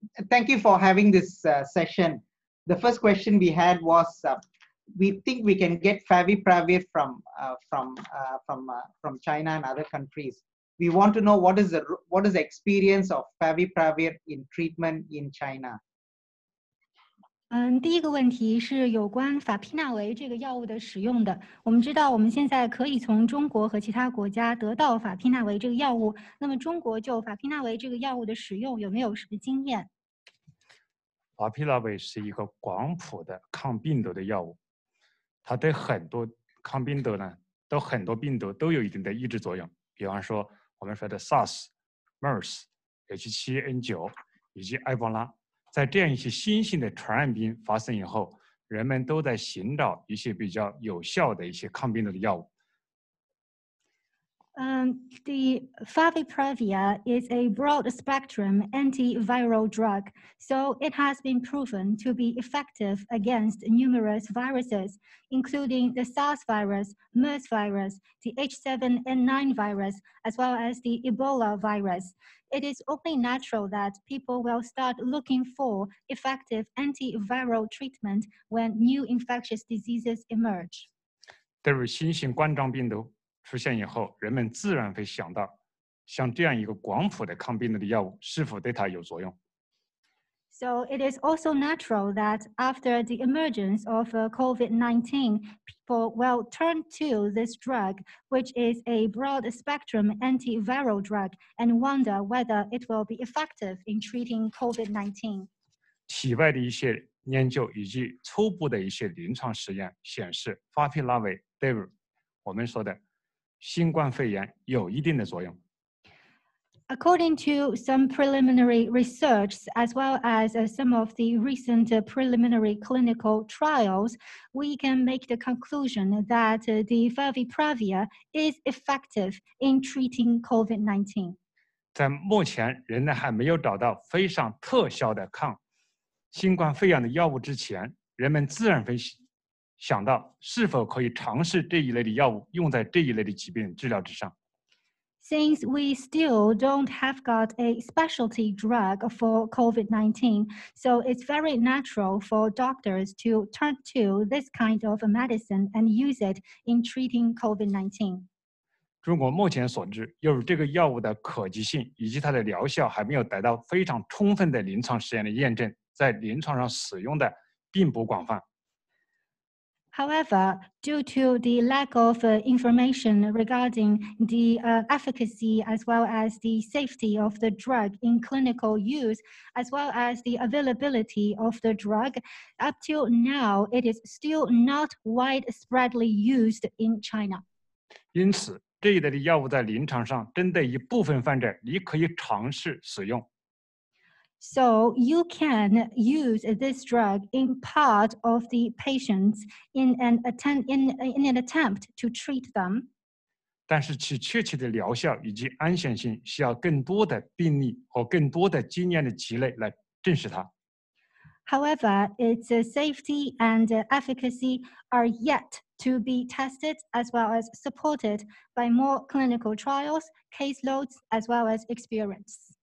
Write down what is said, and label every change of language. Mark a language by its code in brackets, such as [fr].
[en] Thank you for having this session. The first question we had was, we think we can get favipravir from China and other countries. We want to know what is the experience of favipravir in treatment in China. [zh] 第一个问题是有关法匹纳维这个药物的使用的。我们知道我们现在可以从中国和其他国家得到法匹纳维这个药物，那么中国就法匹纳维这个药物的使用有没有什么经验？法匹纳维是一个广谱的抗病毒的药物，它对很多抗病毒呢，都很多病毒都有一定的抑制作用，比方说我们说的 SARS、MERS、H7N9 以及埃博拉。在这样一些新型的传染病发生以后，人们都在寻找一些比较有效的一些抗病毒的药物。 [en] The favipravir is a broad spectrum antiviral drug, so it has been proven to be effective against numerous viruses, including the SARS virus, MERS virus, the H7N9 virus, as well as the Ebola virus. It is only natural that people will start looking for effective antiviral treatment when new infectious diseases emerge. [zh] 对于新型冠状病毒出现以后，人们自然会想到像这样一个广谱的抗病毒的药物是否对它有作用。 [en] So it is also natural that after the emergence of COVID-19, people will turn to this drug, which is a broad spectrum antiviral drug, and wonder whether it will be effective in treating COVID-19. [zh] 体外的一些研究以及初步的一些临床实验显示，法匹拉韦对我们说的新冠肺炎有一定的作用。 [en] According to some preliminary research, as well as some of the recent preliminary clinical trials, we can make the conclusion that the favipravir is effective in treating COVID-19. [zh] 在目前人们还没有找到非常特效的抗新冠肺炎的药物之前，人们自然分析想到是否可以尝试这一类的药物用在这一类的疾病治疗之上。 [en] Since we still don't have got a specialty drug for COVID-19, so it's very natural for doctors to turn to this kind of medicine and use it in treating COVID-19. [zh] 中国目前所知，由于这个药物的可及性以及它的疗效还没有得到非常充分的临床实验的验证，在临床上使用的并不广泛。 [en] However, due to the lack of information regarding the efficacy as well as the safety of the drug in clinical use, as well as the availability of the drug, up till now, it is still not widespreadly used in China. [zh] 因此，这一类的药物在临床上针对一部分患者，你可以尝试使用。 [en] So you can use this drug in part of the patients in an attempt to treat them. [zh] 但是其确切的疗效以及安全性需要更多的病例和更多的经验的积累来证实它。 [en] However, its safety and efficacy are yet to be tested as well as supported by more clinical trials, caseloads, as well as experience.